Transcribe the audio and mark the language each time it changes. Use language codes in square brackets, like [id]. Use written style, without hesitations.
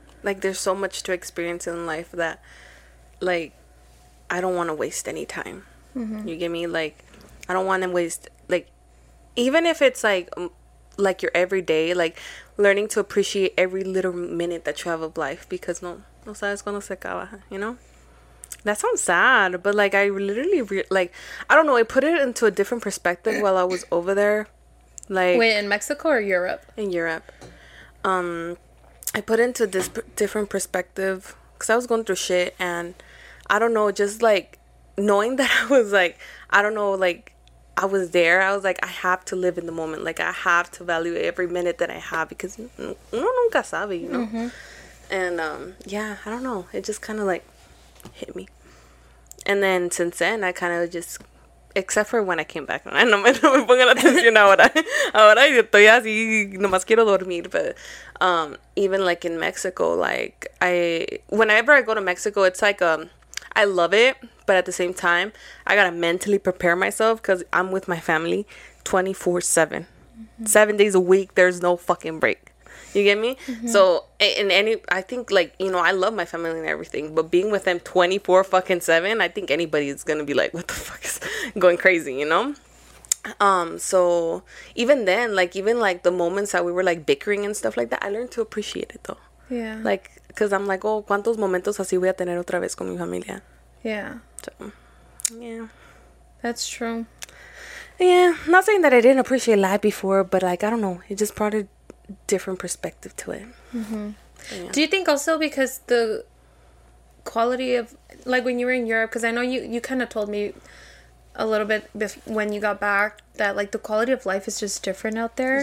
[en] Like, there's so much to experience in life that, like, I don't want to waste any time. Mm-hmm. You get me? Like, I don't want to waste... Like, even if it's, like your everyday, like, learning to appreciate every little minute that you have of life because... [es] No sabes cuando se acaba, [en] you know? That sounds sad, but, like, I literally, I don't know, I put it into a different perspective while I was over there, like... Wait, in Mexico or Europe? In Europe. I put it into this different perspective, because I was going through shit, and I don't know, just, like, knowing that I was, like, I don't know, like, I was there, I was, like, I have to live in the moment, like, I have to value every minute that I have, because [es] uno nunca sabe, [en] you know? Mm-hmm. And, yeah, I don't know. It just kind of, like, hit me. And then since then, I kind of just, except for when I came back. [es] No me pongan atención ahora. Ahora estoy así, nomás quiero dormir. [en] But even, like, in Mexico, like, whenever I go to Mexico, it's like, I love it. But at the same time, I got to mentally prepare myself because I'm with my family 24/7. Mm-hmm. 7 days a week, there's no fucking break. You get me? Mm-hmm. So, I think, like, you know, I love my family and everything, but being with them 24 fucking 7, I think anybody's gonna be like, what the fuck is going crazy, you know? So, even then, like, even, like, the moments that we were, like, bickering and stuff like that, I learned to appreciate it, though. Yeah. Like, because I'm like, oh, [es] ¿cuántos momentos así voy a tener otra vez con mi familia? [en] Yeah. So, yeah. That's true. Yeah. Not saying that I didn't appreciate life before, but, like, I don't know. It just brought it different perspective to it. Mm-hmm. Yeah. Do you think also because the quality of, like, when you were in Europe, because I know you kind of told me a little bit when you got back that, like, the quality of life is just different out there?